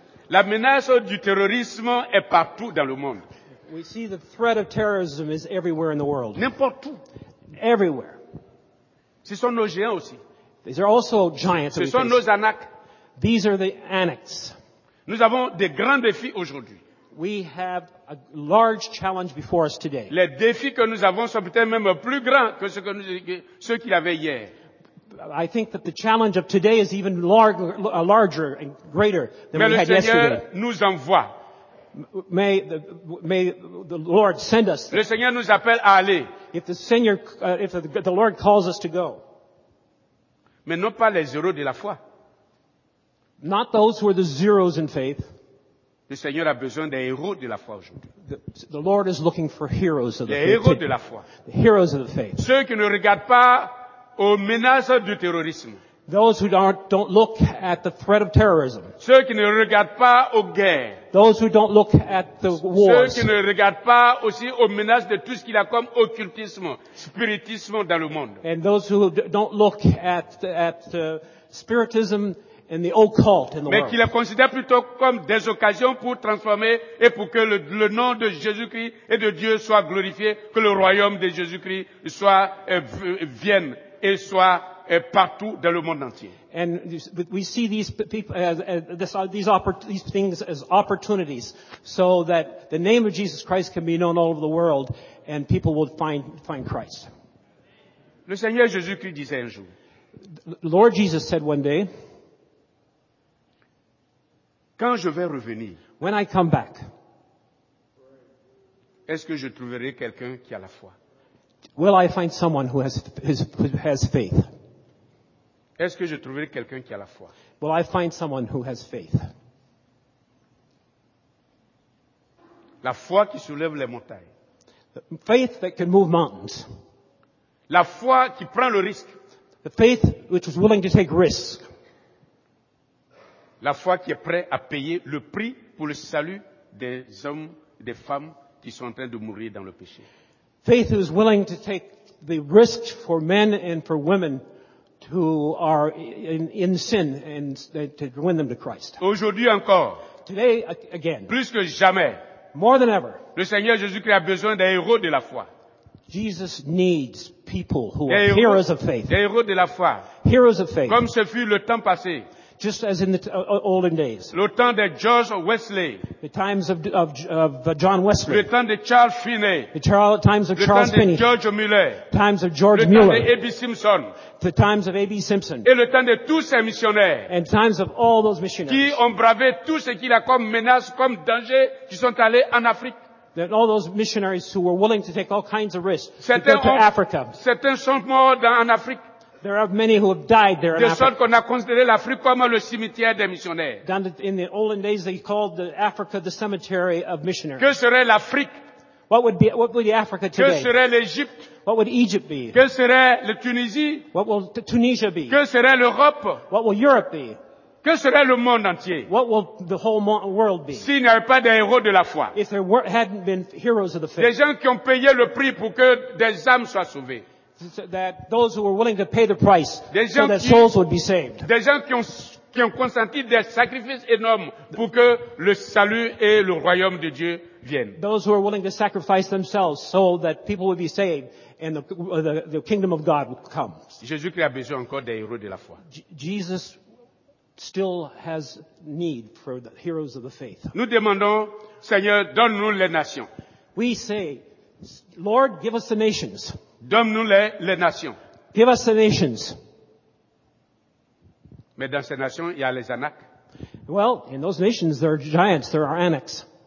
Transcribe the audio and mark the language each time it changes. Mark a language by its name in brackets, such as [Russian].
[French] La menace du terrorisme est partout dans le monde. [English] We see the threat of terrorism is everywhere in the world. [French] N'importe où. [English] Everywhere. [French] Ce sont nos géants aussi. [English] These are also giants. [French] Ce sont nos anacs. [English] These are the anacs. [French] Nous avons des grands défis aujourd'hui. [English] We have a large challenge before us today. [French] Les défis que nous avons sont peut-être même plus grands que ceux qu'il y avait hier. [English] I think that the challenge of today is even larger and greater than [French] mais [English] we had [French] Seigneur [English] yesterday. [French] Nous envoie. [English] May the Lord send us. [French] Le Seigneur nous appelle à aller. [English] If the Lord calls us to go. [French] Mais non pas les zéros de la foi. [English] Not those who are the zeros in faith. [French] Le Seigneur a besoin des héros de la foi aujourd'hui. [English] The Lord is looking for heroes of the faith. [French] Les héros de la foi. [English] The heroes of the faith. [French] Ceux qui ne regardent pas aux menaces du terrorisme. [English] Those who don't look at the threat of terrorism. [French] Ceux qui ne regardent pas aux guerres. [English] Those who don't look at the wars. [French] Ceux qui ne regardent pas aussi aux menaces de tout ce qu'il y a comme occultisme, spiritisme dans le monde. [English] And those who don't look at spiritism and the occult in the [French] Mais [English] world. [French] Qui la considèrent plutôt comme des occasions pour transformer et pour que le nom de Jésus-Christ et de Dieu soit glorifié, que le royaume de Jésus-Christ soit vienne et soit partout dans le monde entier. [English] And we see these people, these things as opportunities, so that the name of Jesus Christ can be known all over the world, and people will find Christ. [French] Le Seigneur Jésus-Christ disait un jour. [English] The Lord Jesus said one day. [French] Quand je vais revenir. [English] When I come back. [French] Est-ce que je trouverai quelqu'un qui a la foi? [English] Will I find someone who has faith? [French] Est-ce que je trouverai quelqu'un qui a la foi? [English] Will I find someone who has faith? [French] La foi qui soulève les montagnes. [English] Faith that can move mountains. [French] La foi qui prend le risque. [English] The faith which is willing to take risks. [French] La foi qui est prêt à payer le prix pour le salut des hommes, des femmes qui sont en train de mourir dans le péché. [English] Faith is willing to take the risk for men and for women who are in sin and to win them to Christ. [French] Aujourd'hui encore. [English] Today again. [French] Plus que jamais. [English] More than ever. [French] Le Seigneur Jésus-Christ a besoin des héros de la foi. [English] Jesus needs people who are heroes of faith. [French] Des héros de la foi. [English] Heroes of faith. [French] Comme ce fut le temps passé. [English] Just as in the olden days. [French] Le temps de George Wesley. [English] The times of John Wesley. [French] Le temps de Charles Finney. [English] The times of Charles Finney. [French] Le temps de George Mueller. [English] Times of George [French] le [English] Mueller. [French] Le temps de A.B. Simpson. [English] The times of A.B. Simpson. [French] Et le temps de tous ces missionnaires. [English] And times of all those missionaries. [French] Qui ont bravé tout ce qu'il a comme menace, comme danger, qui sont allés en Afrique. [English] That all those missionaries who were willing to take all kinds of risks to go to Africa. [French] Certains sont morts en Afrique. [English] There are many who have died there in [French] de [English] Africa. [French] De sorte qu'on a considéré l'Afrique comme le cimetière des missionnaires. [English] In the olden days, they called the Africa the cemetery of missionaries. [French] Que serait l'Afrique? [English] What would be Africa today? [French] Que serait l'Égypte? [English] What would Egypt be? [French] Que serait la Tunisie? [English] What will Tunisia be? [French] Que serait l'Europe? [English] What will Europe be? [French] Que serait le monde entier? [English] What will the whole world be? [French] S'il n'y avait pas des héros de la foi. [English] If there hadn't been heroes of the faith. [French] Des gens qui ont payé le prix pour que des âmes soient sauvées. [English] That those who were willing to pay the price so that souls would be saved. [French] Des gens qui ont consenti des sacrifices énormes pour que le salut et le royaume de Dieu viennent. [English] Those who are willing to sacrifice themselves so that people would be saved and the kingdom of God would come. [French] Jésus-Christ a besoin encore des héros de la foi. [English] Jesus still has need for the heroes of the faith. [French] Nous demandons, Seigneur, donne-nous les nations. [English] We say, Lord, give us the nations. [French] Donne-nous les nations. [English] Give us the nations. [French] Mais dans ces nations, il y a les anacs. [English] Well, in those nations, there are giants, there are anacs.